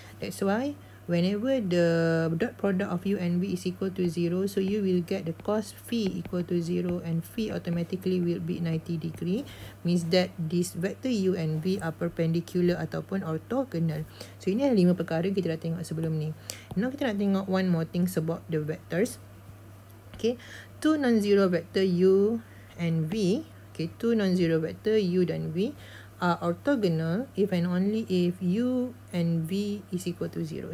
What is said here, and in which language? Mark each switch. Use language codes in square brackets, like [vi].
[en] That's why whenever the dot product of U and V is equal to 0, so you will get the cos phi equal to 0 and phi automatically will be 90 degree. Means that this vector U and V are perpendicular ataupun orthogonal. [ms] So ini adalah 5 perkara kita dah tengok sebelum ni. [en] Now [ms] kita nak tengok [en] one more thing about the vectors. Okay, two non-zero vector U and V, okay, two non-zero vector U dan V are orthogonal if and only if U and V is equal to 0.